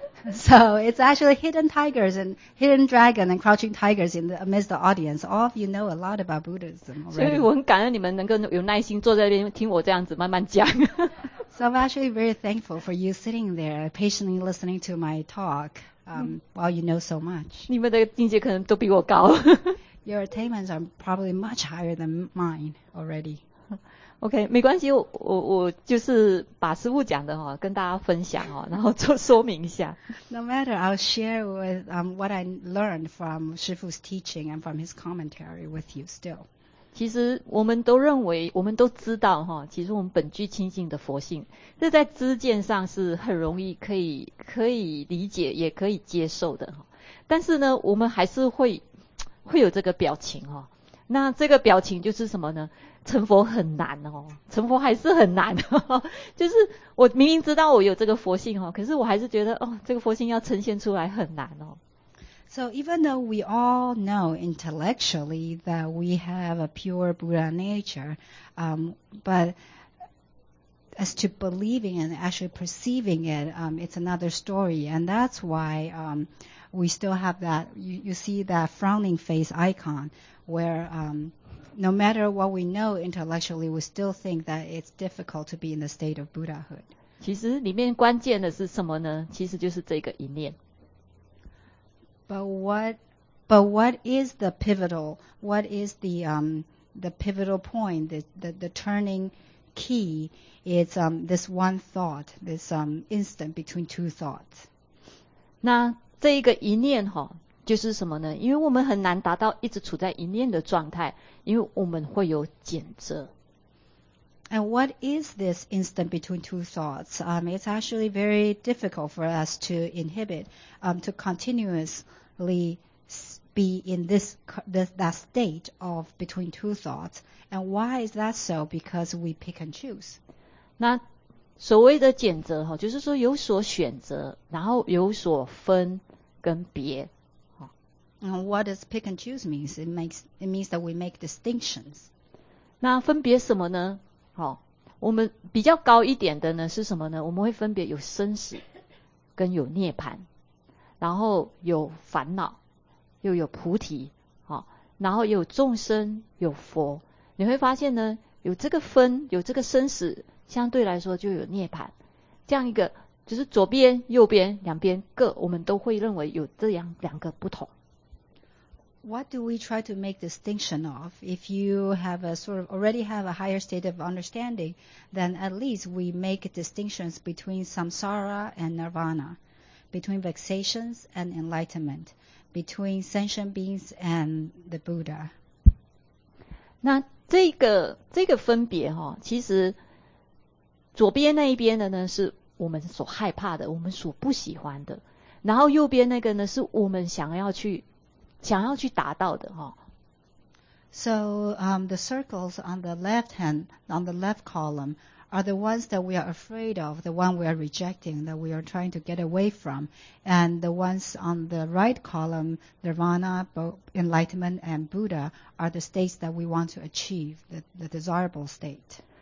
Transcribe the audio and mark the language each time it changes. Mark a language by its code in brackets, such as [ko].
[en] So it's actually hidden tigers and hidden dragon and crouching tigers in the amidst the audience. All of you know a lot about Buddhism already. [zh] 所以我很感恩你们能够有耐心坐在那边听我这样子慢慢讲。 [en] So I'm actually very thankful for you sitting there patiently listening to my talk while you know so much. [zh] 你们的境界可能都比我高。 [en] Your attainments are probably much higher than mine already. [zh] Okay, 没关系，我就是把师父讲的哦，跟大家分享哦，然后做说明一下。 [en] No matter, I'll share with what I learned from 师父's teaching and from his commentary with you still. [zh] 其实我们都认为，我们都知道哈，其实我们本具清净的佛性，这在知见上是很容易可以理解，也可以接受的哈。但是呢，我们还是会有这个表情哈。那这个表情就是什么呢？成佛很难哦，成佛还是很难。就是我明明知道我有这个佛性哈，可是我还是觉得哦，这个佛性要呈现出来很难哦。 [en] So even though we all know intellectually that we have a pure Buddha nature, but as to believing and actually perceiving it, it's another story. And that's why we still have that, you see that frowning face icon where no matter what we know intellectually, we still think that it's difficult to be in the state of Buddhahood. [zh] 其实里面关键的是什么呢？其实就是这个一念。 [en] But what But what is the pivotal? What is the pivotal point? The turning key is this one thought, this instant between two thoughts. [zh] 那这一个一念哈，就是什么呢？因为我们很难达到一直处在一念的状态，因为我们会有拣择。 [en] And what is this instant between two thoughts? It's actually very difficult for us to inhibit, to continuously be in that state of between two thoughts. And why is that so? Because we pick and choose. [zh] 那所谓的拣择，就是说有所选择，然后有所分跟别。 [en] And what does pick and choose mean? It means that we make distinctions. [zh] 那分别什么呢？好，我们比较高一点的呢是什么呢？我们会分别有生死跟有涅槃，然后有烦恼，又有菩提，好，然后有众生，有佛。你会发现呢，有这个分，有这个生死，相对来说就有涅槃，这样一个就是左边右边两边各，我们都会认为有这样两个不同。 [en] What do we try to make distinction of? If you have a sort of already have a higher state of understanding, then at least we make distinctions between samsara and nirvana, between vexations and enlightenment, between sentient beings and the Buddha. [zh] 那这个分别哈，其实左边那一边的呢，是我们所害怕的，我们所不喜欢的，然后右边那个呢，是我们想要去达到的哈。 [en] So the circles on the left hand, on the left column, are the ones that we are afraid of, the one we are rejecting, that we are trying to get away from, and the ones on the right column, Nirvana, enlightenment, and Buddha, are the states that we want to achieve, the desirable state.